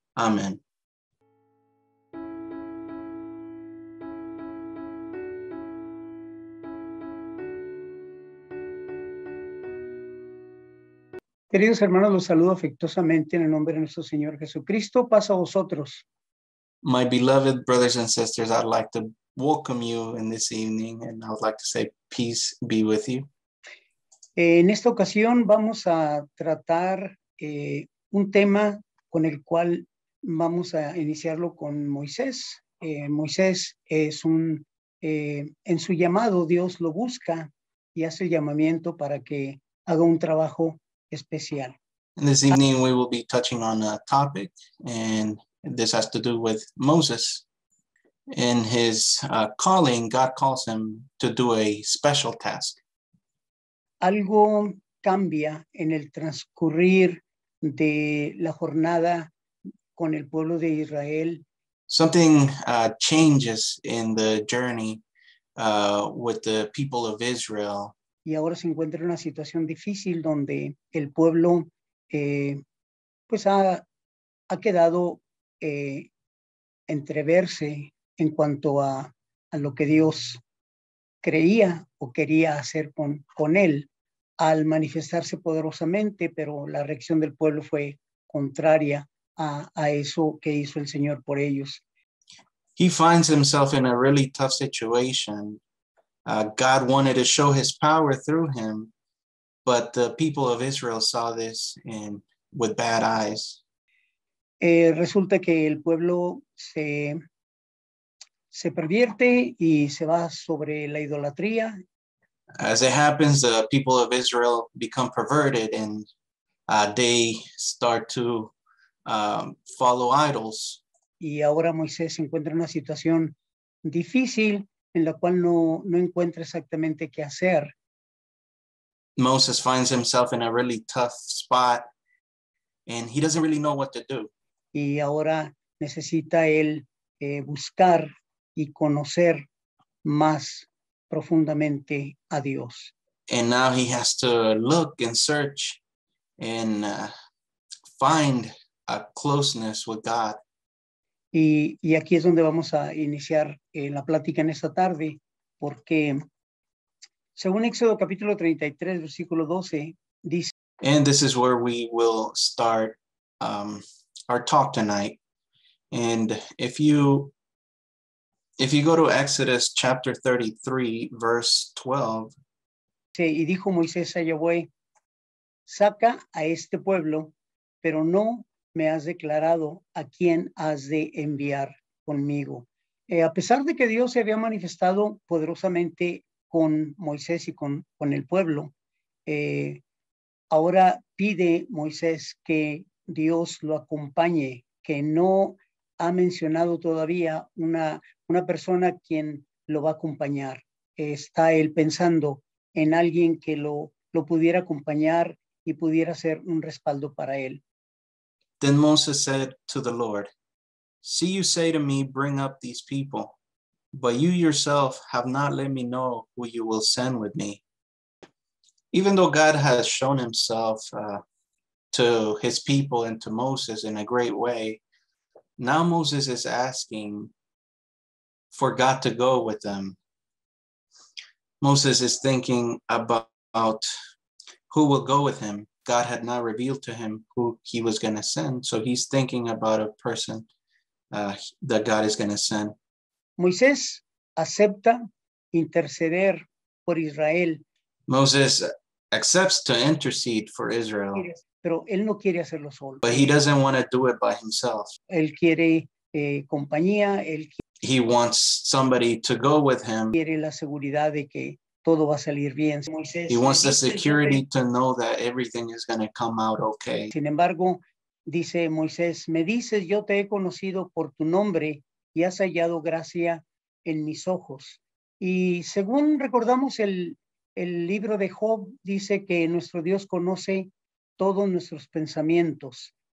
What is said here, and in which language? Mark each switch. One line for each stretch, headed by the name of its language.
Spanish: Amén. Queridos hermanos, los saludo afectuosamente en el nombre de nuestro Señor Jesucristo. Paso a vosotros.
English: My beloved brothers and sisters, I'd like to welcome you in this evening, and I'd like to say peace be with you.
Spanish: En esta ocasión vamos a tratar un tema con el cual vamos a iniciarlo con Moisés. Moisés es un, en su llamado Dios lo busca y hace el llamamiento para que haga un trabajo especial.
English: And this evening we will be touching on a topic, and this has to do with Moses. In his calling, God calls him to do a special task.
Spanish: Algo cambia en el transcurrir de la jornada con el pueblo de Israel.
English: Something changes in the journey with the people of Israel.
Spanish: Y ahora se encuentra en una situación difícil donde el pueblo pues ha quedado entreverse en cuanto a lo que Dios creía o quería hacer con él al manifestarse poderosamente, pero la reacción del pueblo fue contraria a eso que hizo el Señor por ellos.
English: He finds himself in a really tough situation. God wanted to show his power through him, but the people of Israel saw this and with bad eyes.
Spanish: Resulta que el pueblo se pervierte y se va sobre la idolatría.
English: As it happens, the people of Israel become perverted and they start to follow idols.
Spanish: Y ahora Moisés se encuentra en una situación difícil en la cual no encuentra exactamente qué hacer.
English: Moses finds himself in a really tough spot and he doesn't really know what to do.
Spanish: Y ahora necesita él buscar y conocer más profundamente a Dios.
English: And now he has to look and search and find a closeness with God.
Spanish: Y aquí es donde vamos a iniciar la plática en esta tarde, porque según Éxodo capítulo 33, versículo 12, dice...
English: And this is where we will start our talk tonight. And if you go to Exodus chapter 33, verse 12...
Spanish: Y dijo Moisés a Yahweh, saca a este pueblo, pero no... me has declarado a quién has de enviar conmigo. A pesar de que Dios se había manifestado poderosamente con Moisés y con el pueblo, ahora pide Moisés que Dios lo acompañe, que no ha mencionado todavía una persona quien lo va a acompañar. Está él pensando en alguien que lo pudiera acompañar y pudiera ser un respaldo para él.
English: Then Moses said to the Lord, see, you say to me, bring up these people, but you yourself have not let me know who you will send with me. Even though God has shown himself to his people and to Moses in a great way, now Moses is asking for God to go with them. Moses is thinking about who will go with him. God had not revealed to him who he was going to send. So he's thinking about a person that God is going to send.
Spanish: Moisés acepta interceder por Israel.
English: Moses accepts to intercede for Israel.
Spanish: Pero él no quiere hacerlo solo.
English: But he doesn't want to do it by himself.
Spanish: Él quiere compañía.
English: He wants somebody to go with him.
Spanish: Quiere la seguridad de que todo va a salir bien.
English: He wants the security to know that everything is going to come out okay.
Spanish: Sin embargo, dice Moisés, me dices, yo te he conocido por tu nombre y has hallado gracia en mis ojos. Y según recordamos el libro de Job, dice que nuestro Dios conoce todos nuestros pensamientos.